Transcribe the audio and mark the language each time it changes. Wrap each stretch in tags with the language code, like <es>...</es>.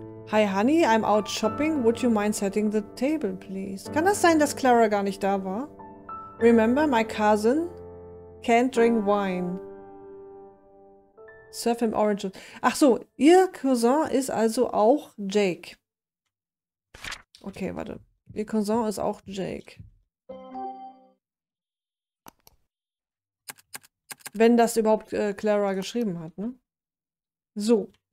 <en>Hi honey, I'm out shopping. Would you mind setting the table, please?</en> <de>Kann das sein, dass Clara gar nicht da war?</de> <en>Remember, my cousin can't drink wine. Serve him orange juice.</en> <de>Ach so, ihr Cousin ist also auch Jake. Okay, warte. Ihr Cousin ist auch Jake. Wenn das überhaupt Clara geschrieben hat, ne? So.</de>